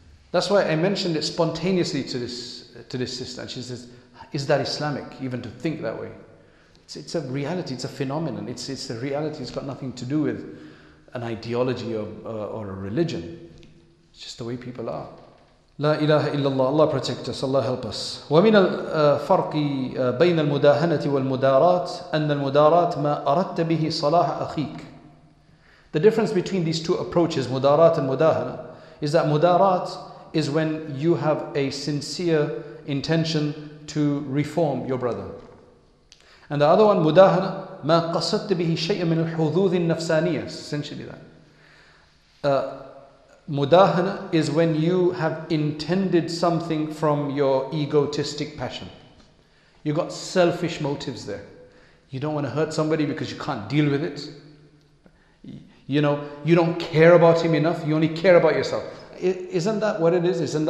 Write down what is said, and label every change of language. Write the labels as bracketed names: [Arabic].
[English] That's why I mentioned it spontaneously to this sister. And she says, is that Islamic, even to think that way? It's a reality, it's a phenomenon. It's a reality, it's got nothing to do with an ideology or a religion. It's just the way people are. [Arabic] لا إله إلا الله. [English] Allah protect us. Allah help us. [Arabic] ومن الفرق بين المداهنة والمدارات أن المدارات ما أردت به صلاح أخيك. [English] The difference between these two approaches, mudarat and mudahana, is that mudarat is when you have a sincere intention to reform your brother. And the other one, [Arabic] mudahana, ما قصدت به شيئا من الحظوظ النفسانية. [English] Essentially that. Mudahana is when you have intended something from your egotistic passion. You got selfish motives there. You don't want to hurt somebody because you can't deal with it. You know, you don't care about him enough. You only care about yourself. Isn't that what it is?